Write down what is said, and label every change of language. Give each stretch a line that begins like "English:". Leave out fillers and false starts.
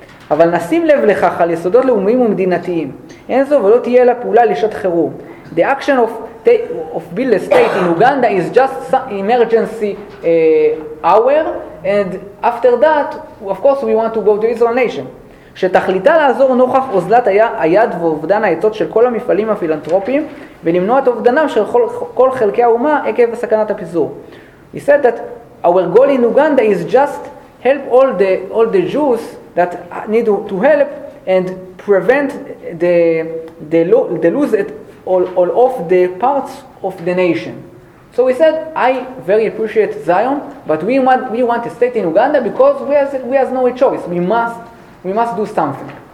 Hebrew: אבל נשים לב לכך על יסודות לאומיים ומדינתיים. אין זו ולא תהיה לה פעולה לשעת חירום.
English: The action of build a state in Uganda is just some emergency hour, and after that, of course, we want to go to Israel nation.
Hebrew: שתכליתה לעזור נוכח אוזלת היד ואובדן העצות של כל המפעלים הפילנטרופיים, ולמנוע את אובדנם של כל חלקי האומה עקב סכנת הפיזור.
English: He said that our goal in Uganda is just help all the Jews that need to help and prevent the lose it all of the parts of the nation. So we said, I very appreciate Zion, but we want a state in Uganda because we have no choice. We must do something.